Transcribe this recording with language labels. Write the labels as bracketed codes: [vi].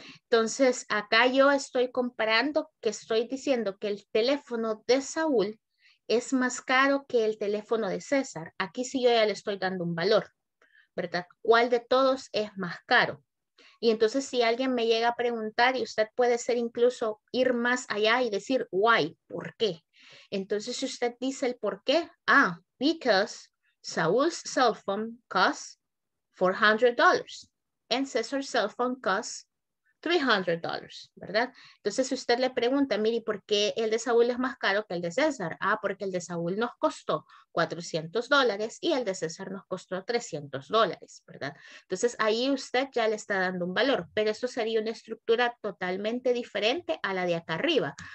[es] Entonces, acá yo estoy comparando, que estoy diciendo que el teléfono de Saúl es más caro que el teléfono de César. Aquí sí yo ya le estoy dando un valor, ¿verdad? ¿Cuál de todos es más caro? Y entonces, si alguien me llega a preguntar, y usted puede ser incluso ir más allá y decir, [en] why, [es] ¿por qué? Entonces, si usted dice el por qué, because... [en] Saúl's cell phone costs $400 and César's cell phone costs $300, ¿verdad? [es] Entonces, si usted le pregunta, mire, ¿por qué el de Saúl es más caro que el de César? Ah, porque el de Saúl nos costó $400 y el de César nos costó $300, ¿verdad? Entonces, ahí usted ya le está dando un valor, pero esto sería una estructura totalmente diferente a la de acá arriba.